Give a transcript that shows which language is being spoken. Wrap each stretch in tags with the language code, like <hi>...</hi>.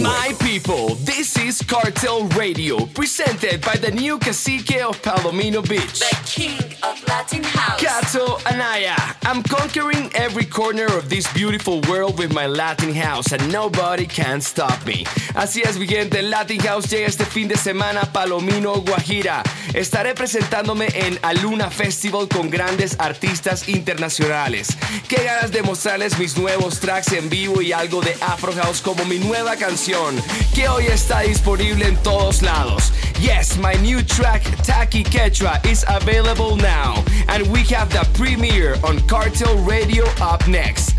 <en>My people, this is Cartel Radio, presented by the new cacique of Palomino Beach, the king of Latin house, Cato Anaya. I'm conquering every corner of this beautiful world with my Latin house, and nobody can stop me.</en> <es>Así es, mi gente, Latin house llega este fin de semana a Palomino, Guajira. Estaré presentándome en Aluna Festival con grandes artistas internacionales. Qué ganas de mostrarles mis nuevos tracks en vivo y algo de Afro House como mi nueva canción, que hoy está disponible en todos lados.</es> <en>Yes, my new track, Taki Quechua, is available now. And we have the premiere on Cartel Radio up next.</en>